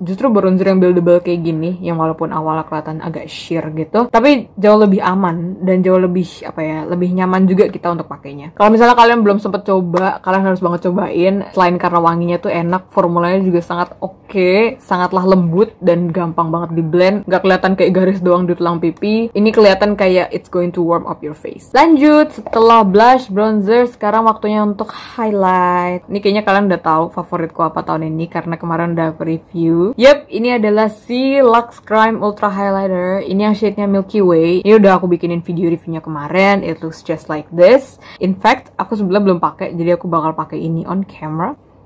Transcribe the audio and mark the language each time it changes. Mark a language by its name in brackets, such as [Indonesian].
[Indonesian] Justru bronzer yang buildable kayak gini, yang walaupun awalnya kelihatan agak sheer gitu, tapi jauh lebih aman dan jauh lebih apa ya, lebih nyaman juga kita untuk pakainya. Kalau misalnya kalian belum sempet coba, kalian harus banget cobain. Selain karena wanginya tuh enak, formulanya juga sangat oke, sangatlah lembut dan gampang banget di blend. Gak kelihatan kayak garis doang di tulang pipi. Ini kelihatan kayak [English] it's going to warm up your face. [Indonesian] Lanjut, setelah blush, bronzer, sekarang waktunya untuk highlight. Ini kayaknya kalian udah tahu favoritku apa tahun ini karena kemarin udah preview. Yep, ini adalah si Lux Crime Ultra Highlighter. Ini yang shade-nya Milky Way. Ini udah aku bikinin video reviewnya kemarin. [English] It looks just like this. In fact, [Indonesian] aku sebelumnya belum pakai, jadi aku bakal pakai ini [English] on camera.